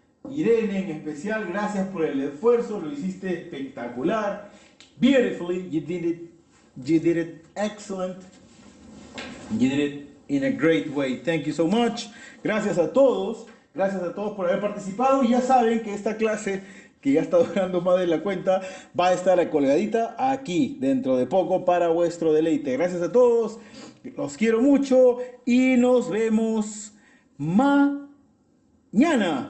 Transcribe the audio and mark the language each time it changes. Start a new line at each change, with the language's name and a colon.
Spanish: Irene, en especial, gracias por el esfuerzo, lo hiciste espectacular.
English: Beautifully, you did it in a great way. Thank you so much.
Spanish: Gracias a todos por haber participado. Y ya saben que esta clase, que ya está durando más de la cuenta, va a estar colgadita aquí, dentro de poco, para vuestro deleite. Gracias a todos, los quiero mucho y nos vemos mañana.